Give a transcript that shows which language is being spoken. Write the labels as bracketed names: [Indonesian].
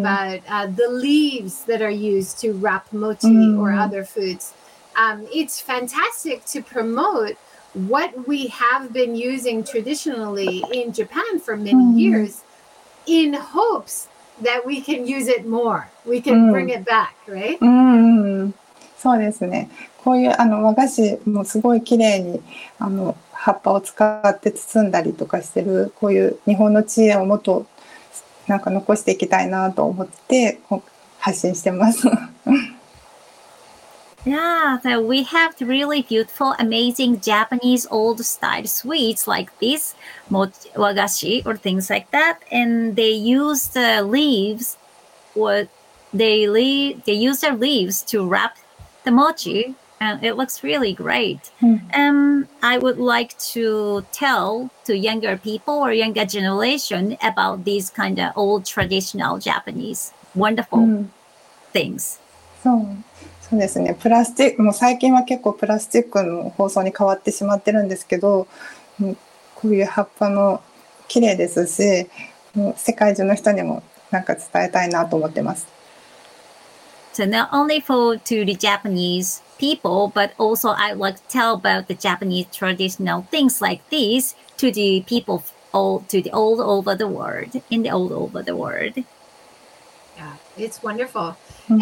[English] about the leaves that are used to wrap mochi mm-hmm. or other foods. It's fantastic to promote what we have been using traditionally in Japan for many mm. years in hopes that we can use it more. We can mm. bring it back, right? [Japanese] Mm. そうですね。こういう和菓子もすごい綺麗に葉っぱを使って包んだりとかしてる、こういう日本の知恵をもっとなんか残していきたいなと思って発信してます。 [English] Yeah, so we have really beautiful, amazing Japanese old style sweets like this, wagashi or things like that. And they use the leaves, they use their leaves to wrap the mochi. And it looks really great. And mm-hmm. I would like to tell to younger people or younger generation about these kind of old traditional Japanese wonderful mm-hmm. things. [Japanese] そう、そうですね。プラスチック、もう最近は結構プラスチックの包装に変わってしまってるんですけど、こういう葉っぱも綺麗ですし、もう世界中の人にもなんか伝えたいなと思ってます。 [English] So not only for to the Japanese people, but also I'd like to tell about the Japanese traditional things like these to the people all to the all over the world, in the all over the world. Yeah, it's wonderful. Mm-hmm.